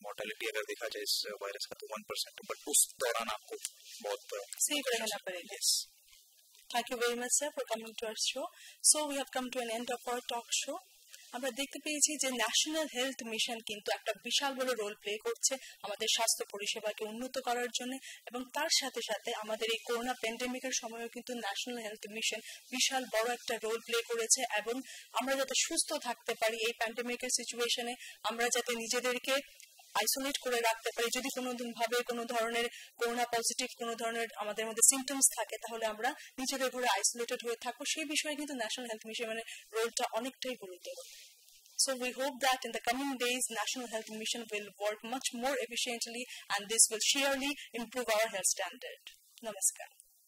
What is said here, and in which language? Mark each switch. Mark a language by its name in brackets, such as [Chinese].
[Hindi] Mortality अगर देखा जाए इस वायरस का तो 1%, बट उस दौरान आपको बहुत सेफ रहना पड़ेगा। [English] Thank you very much sir for coming to our show. So we have come to an end of our talk show. [Bangla] আমরা দেখতে পেয়েছি যে ন্যাশনাল হেলথ মিশন কিন্তু একটা বিশাল বড় রোল প্লে করছে আমাদের স্বাস্থ্য পরিষেবাকে উন্নত করার জন্য, এবং তার সাথে সাথে আমাদের এই করোনা প্যান্ডেমিকের সময়ও কিন্তু ন্যাশনাল হেলথ মিশন বিশাল বড় একটা রোল প্লে করেছে। এবং আমরা যাতে সুস্থ থাকতে পারি এই প্যান্ডেমিকের সিচুয়েশনে, আমরা যাতে নিজেদেরকে আইসোলেট করে রাখতে পারি, যদি কোনোভাবে কোনো ধরনের করোনা পজিটিভ কোনো ধরনের আমাদের মধ্যে সিমটমস থাকে তাহলে আমরা নিজেদের ঘরে আইসোলেটেড হয়ে থাকবো, সেই বিষয়ে কিন্তু ন্যাশনাল হেলথ মিশনের রোলটা অনেকটাই গুরুত্বপূর্ণ। [English] So we hope that in the coming days, National Health Mission will work much more efficiently, and this will surely improve our health standard. Namaskar.